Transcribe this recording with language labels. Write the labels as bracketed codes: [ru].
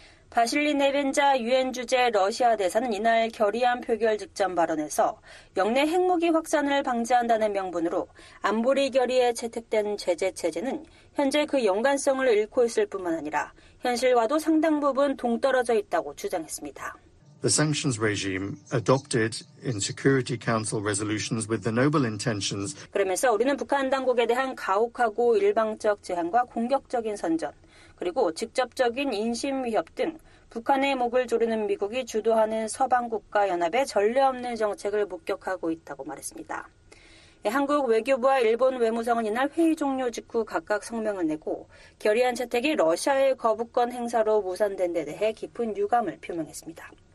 [ko] 바실리 네벤자 유엔 주재 러시아 대사는 이날 결의안 표결 직전 발언에서 역내 핵무기 확산을 방지한다는 명분으로 안보리 결의에 채택된 제재 체제는 현재 그 연관성을 잃고 있을 뿐만 아니라 현실과도 상당 부분 동떨어져 있다고 주장했습니다. [en] The sanctions regime adopted in Security Council resolutions with the noble intentions. [ko] 그러면서 우리는 북한 당국에 대한 가혹하고 일방적 제한과 공격적인 선전, 그리고 직접적인 인심 위협 등 북한의 목을 조르는 미국이 주도하는 서방 국가 연합의 전례 없는 정책을 목격하고 있다고 말했습니다. 한국 외교부와 일본 외무성은 이날 회의 종료 직후 각각 성명을 내고 결의안 채택이 러시아의 거부권 행사로 무산된 데 대해 깊은 유감을 표명했습니다.